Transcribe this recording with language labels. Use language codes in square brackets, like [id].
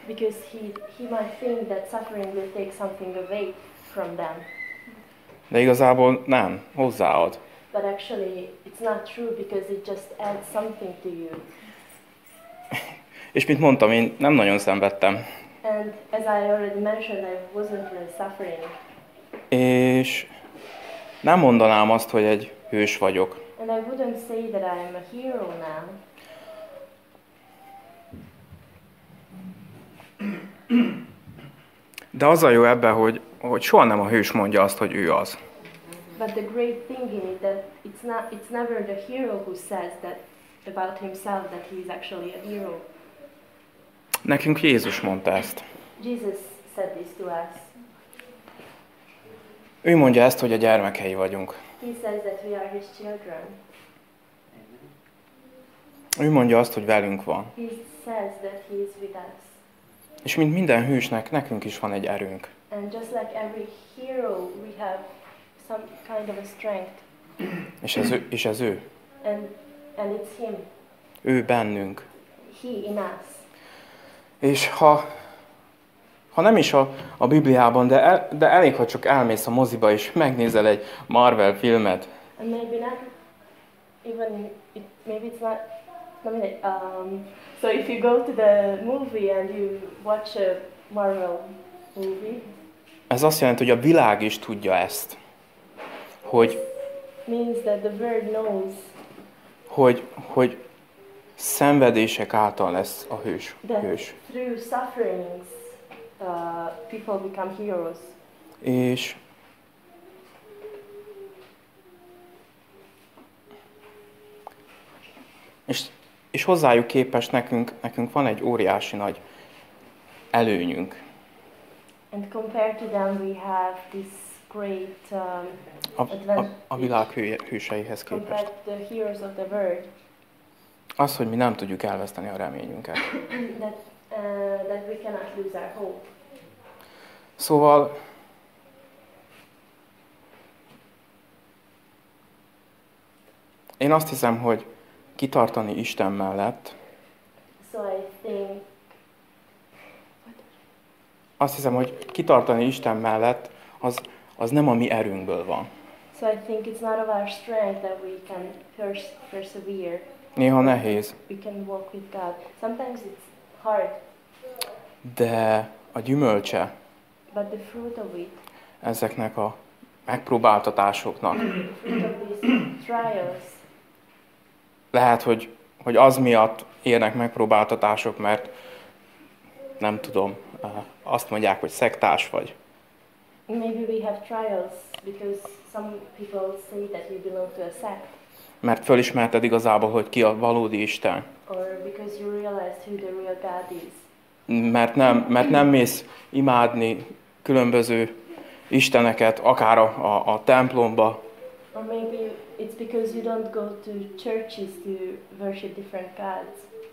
[en] Because he might think that suffering will take something away from them. [hu] De igazából nem, hozzáad. [en] But actually, it's not true because it just adds something to you. [hu] És mint mondtam, én nem nagyon szenvedtem. [en] And as I already mentioned, I wasn't really suffering. [hu] És nem mondanám azt, hogy egy hős vagyok. [en] And I wouldn't say that I am a hero now. [hu] De az a jó ebben, hogy soha nem a hős mondja azt, hogy ő az. [en] But the great thing in it that it's never the hero who says that about himself that he is actually a hero. [hu] Nekünk Jézus mondta ezt. [en] Jesus said this to us. [hu] Ő mondja ezt, hogy a gyermekei vagyunk. [en] He says that we are his children. [hu] Ő mondja azt, hogy velünk van. [en] He says that he is with us. [hu] És mint minden hősnek, nekünk is van egy erőnk. [en] And just like every hero, we have some kind of a strength. [hu] És ez ő. [en] And it's him. [hu] Ő bennünk. [en] He in us. [hu] És ha nem is a Bibliában, de elég, ha csak elmész a moziba és megnézel egy Marvel filmet. [en] And maybe not even it, maybe it's not, I mean, so if you go to the movie and you watch a Marvel movie. [hu] Ez azt jelenti, hogy a világ is tudja ezt. Hogy [en] means that the world knows. [hu] Hogy szenvedések által lesz a hős. [en] That through sufferings, people become heroes. [hu] És hozzájuk képest nekünk van egy óriási nagy előnyünk. [en] And compared to them we have this great [hu] a világ hőseihez képest. [en] Compared to the heroes of the world. [hu] Az, hogy mi nem tudjuk elveszteni a reményünket. [en] That we cannot lose our hope. [hu] Szóval én azt hiszem, hogy kitartani Isten mellett. [en] So I think, [hu] azt hiszem, hogy kitartani Isten mellett az nem a mi erőnkből van. [en] So I think it's not of our strength that we can persevere. [hu] Néha nehéz. [en] We can walk with God. Sometimes it's hard. [hu] De a gyümölcse. [en] But the fruit of it. [hu] Ezeknek a megpróbáltatásoknak. [en] Trials. [hu] Lehet, hogy az miatt érnek megpróbáltatások, mert nem tudom, azt mondják, hogy szektás vagy. [en] Maybe we have trials because some people say that you belong to a sect. [hu] Mert fölismerted igazából, hogy ki a valódi Isten. [en] Or because you realize who the real God is. [hu] Mert nem mész imádni különböző isteneket, akár a templomba. [en] Or maybe it's because you don't go to churches to worship different gods.